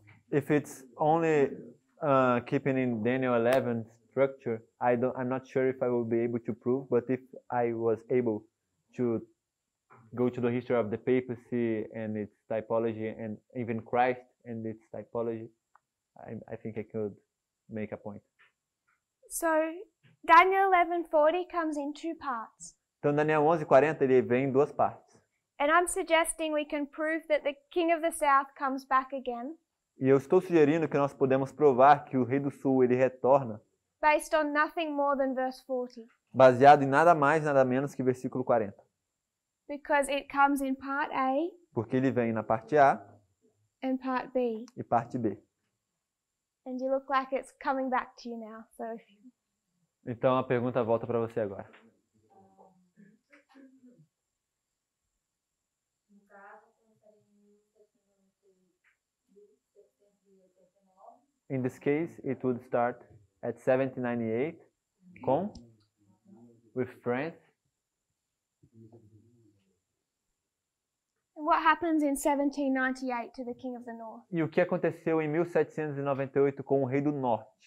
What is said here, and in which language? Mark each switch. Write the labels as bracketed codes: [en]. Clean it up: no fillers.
[en] If it's only keeping in Daniel 11 structure, I'm not sure if I will be able to prove, but if I was able to go to the history of the papacy and its typology and even Christ and its typology, I think I could make a point. So Daniel 11:40 comes in two parts. [pt] Então Daniel 11:40 ele vem em duas partes. [en] And I'm suggesting we can prove that the king of the south comes back again. [pt] E eu estou sugerindo que nós podemos provar que o rei do sul ele retorna. [en] Based on nothing more than verse 40. [pt] Baseado em nada mais, nada menos que versículo 40. [en] Because it comes in part A. [pt] Porque ele vem na parte A. [en] And part B. [pt] E parte B. [en] And you look like it's coming back to you now. So if you... [pt] Então a pergunta volta para você agora. [en] In this case, it would start at 1798, with France. And what happens in 1798 to the King of the North? [pt] E o que aconteceu em 1798 com o Rei do Norte?